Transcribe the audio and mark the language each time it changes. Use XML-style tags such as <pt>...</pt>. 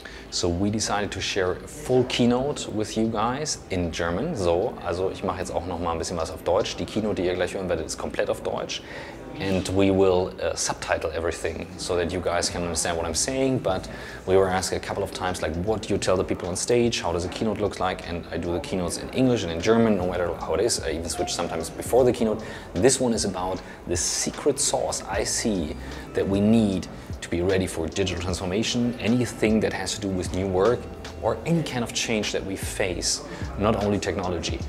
<en>So we decided to share a full keynote with you guys in German.</en> <de>So, also ich mache jetzt auch noch mal ein bisschen was auf Deutsch. Die Keynote, die ihr gleich hören werdet, ist komplett auf Deutsch.</de> <en>And we will subtitle everything so that you guys can understand what I'm saying. But we were asked a couple of times, like, what do you tell the people on stage? How does a keynote look like? And I do the keynotes in English and in German, no matter how it is. I even switch sometimes before the keynote. This one is about the secret sauce I see that we need to be ready for digital transformation, anything that has to do with new work or any kind of change that we face, not only technology.</en>